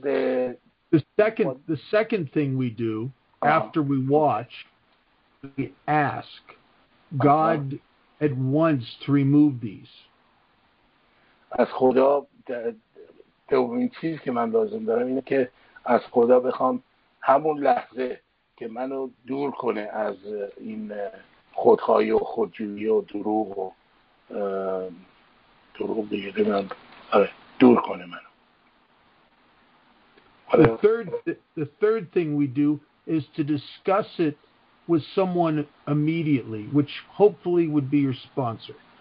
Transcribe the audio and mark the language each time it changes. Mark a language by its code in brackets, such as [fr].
[en] the second thing we do after we watch, we ask God at once to remove these. [fa] از خدا دومین چیزی که من لازم دارم اینه که از خدا بخوام همون لحظه که منو دور کنه از این خودخواهی و خودجویی و دروغ دیگه من دور کنه منو. [en] The third thing we do is to discuss it with someone immediately, which hopefully would be your sponsor.